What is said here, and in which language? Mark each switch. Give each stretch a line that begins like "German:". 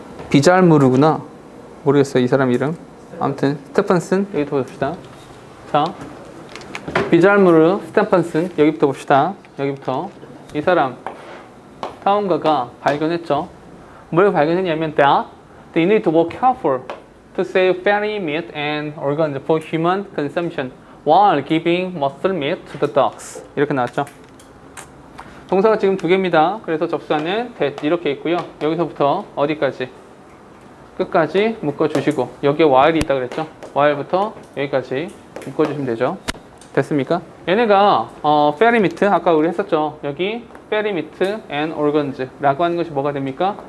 Korean: 비잘무르구나. 모르겠어요, 이 사람 이름. 아무튼 스테판슨 여기부터 봅시다. 자, 비잘무르 스테판슨 여기부터 봅시다. 여기부터 이 사람 탐험가가 발견했죠. 뭘 발견했냐면
English: that they need to be careful to save fatty meat and organs for human consumption while giving muscle meat to the dogs.
Korean: 이렇게 나왔죠. 동사가 지금 두 개입니다. 그래서 접수하는 that 이렇게 있고요. 여기서부터 어디까지? 끝까지 묶어주시고 여기에 while이 있다 그랬죠? while부터 여기까지 묶어주시면 되죠. 됐습니까? 얘네가 fatty meat, 아까 우리 했었죠? 여기 fatty meat and organs 라고 하는 것이 뭐가 됩니까?